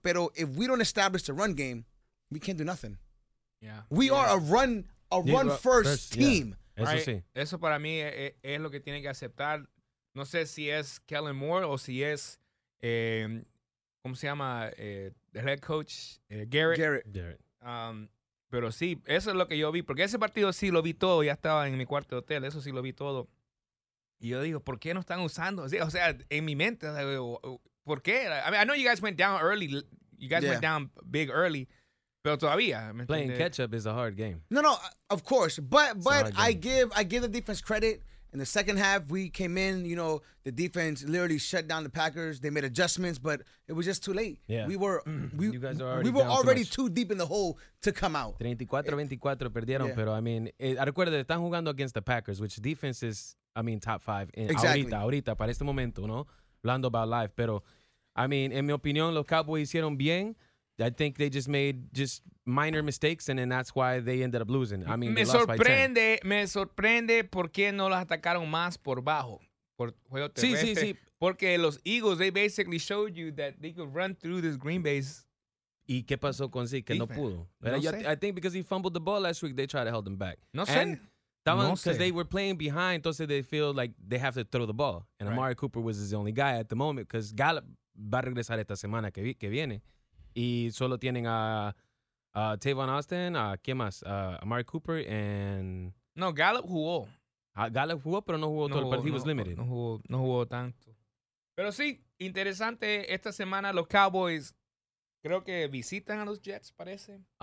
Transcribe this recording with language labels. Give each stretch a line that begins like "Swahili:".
English: Pero if we don't establish the run game, we can't do nothing. Yeah. We are a run first team. Yeah.
Spanish: Eso right. Sí. Eso para mí es lo que tiene que aceptar. No sé si es Kellen Moore o si es, ¿cómo se llama? El head coach, Garrett. Garrett. Pero sí, eso es lo que yo vi. Porque ese partido sí lo vi todo. Ya estaba en mi cuarto de hotel. Eso sí lo vi todo. Y yo digo, ¿por qué no están usando? O sea, en mi mente, ¿por qué?
English: I mean, I know you guys went down early. You guys went down big early.
Spanish: Pero todavía,
English: playing catch up is a hard game. No, of course. But I give the defense credit. In the second half, we came in, you know, the defense literally shut down the Packers. They made adjustments, but it was just too late. Yeah. We were already too deep in the hole to come out. 34-24 perdieron, pero I mean, recuerda,
Spanish: están jugando
English: against the Packers, which defense is, I mean, top five. Exactly.
Spanish: Ahorita, para este momento, ¿no? Hablando about life. Pero, I mean, en mi opinión, los Cowboys hicieron bien.
English: I think they just made just minor mistakes, and then that's why they ended up losing. I mean,
Spanish: me sorprende por qué no los atacaron más por bajo, por juego terrestre. Sí, sí, sí. Porque los Eagles,
English: they basically showed you that they could run through this Green Bay's.
Spanish: ¿Y qué pasó con Zeke? Que no pudo. Pero no sé.
English: I think because he fumbled the ball last week, they tried to hold him back.
Spanish: No sé.
English: Because they were playing behind, entonces they feel like they have to throw the ball. And Amari Cooper was his only guy at the moment, because Gallup
Spanish: va a regresar esta semana que viene. Y solo tienen a Tavon Austin, a ¿qué más?
English: Amari Cooper and...
Spanish: No, Gallup jugó. Gallup jugó, pero no jugó no todo jugó, el partido. No,
English: he was limited.
Spanish: No jugó tanto. Pero sí, interesante. Esta semana los Cowboys creo que visitan a los Jets, parece.